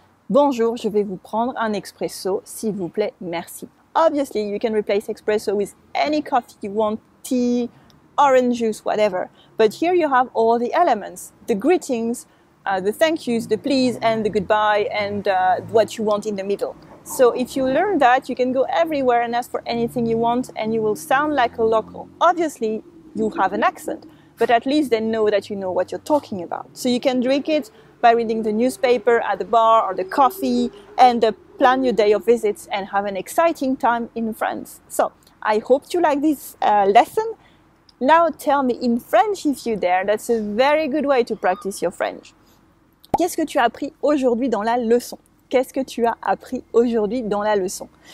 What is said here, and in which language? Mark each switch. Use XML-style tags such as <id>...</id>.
<fr>Bonjour, je vais vous prendre un expresso, s'il vous plaît, merci.</fr> <en>Obviously, you can replace espresso with any coffee you want, tea, orange juice, whatever. But here you have all the elements, the greetings, the thank yous, the please, and the goodbye, and what you want in the middle. So if you learn that, you can go everywhere and ask for anything you want, and you will sound like a local. Obviously, you have an accent, but at least they know that you know what you're talking about. So you can drink it by reading the newspaper at the bar or the coffee, and plan your day of visits and have an exciting time in France. So I hope you like this lesson. Now tell me in French if you're there. That's a very good way to practice your French.</en> <fr>Qu'est-ce que tu as appris aujourd'hui dans la leçon? Qu'est-ce que tu as appris aujourd'hui dans la leçon?</fr>